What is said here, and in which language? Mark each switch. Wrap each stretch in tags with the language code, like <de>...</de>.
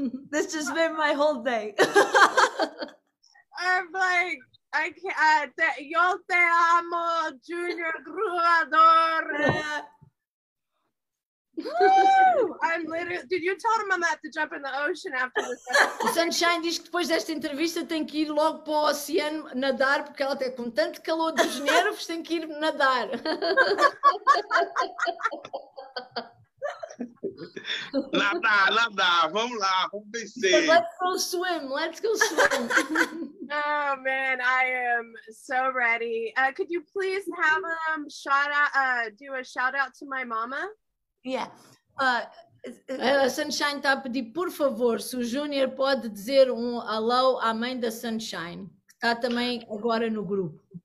<en>This has been my whole day. I'm like, I can't,</en> <es>yo te amo,</es> <en>Junior Groovador. Woo! I'm literally, did you tell him I'm about to jump in the ocean after this?</en> <pt>O Sunshine diz que depois desta entrevista tem que ir logo para o oceano nadar, porque ela tem com tanto calor dos nervos, tem que ir nadar. Nadar, vamos lá, vamos vencer.</pt> <en>Let's go swim. Oh man, I am so ready. Could you please have a shout out to my mama? Yeah.</en> <pt>Sunshine está a pedir, por favor, se o Júnior pode dizer um alô à mãe da Sunshine, que está também agora no grupo.</pt>